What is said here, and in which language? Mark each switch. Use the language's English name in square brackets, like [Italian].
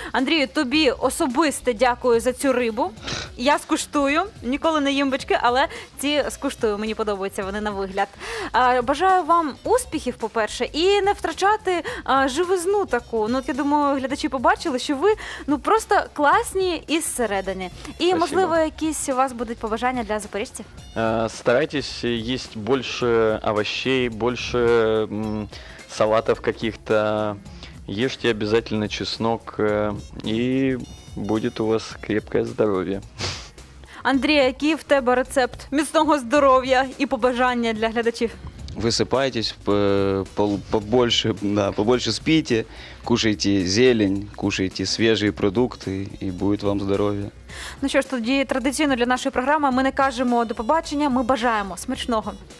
[Ukrainian] Андрію, тобі особисто дякую за цю рибу. Я скуштую, ніколи не їм бички, але ці скуштую, мені подобаються вони на вигляд. Бажаю вам успіхів, по-перше, і не втрачати живизну таку. Ну, от я думаю, глядачі побачили, що ви ну просто класні із середини. І, [Russian] спасибо. [Ukrainian] Можливо, якісь у вас будуть побажання для запоріжців? [Russian] Старайтесь есть больше овощей, больше салатов каких-то, ешьте обязательно чеснок, и будет у вас крепкое здоровье. [Ukrainian] Андрей, який в тебе рецепт міцного здоров'я і побажання для глядачів? [Russian] Висипайтесь, побольше, да, побольше спите, кушайте зелень, кушайте [Ukrainian] свежі продукти, і буде вам здоров'я. Ну що ж, тоді традиційно для нашої програми ми не кажемо до побачення, ми бажаємо смачного.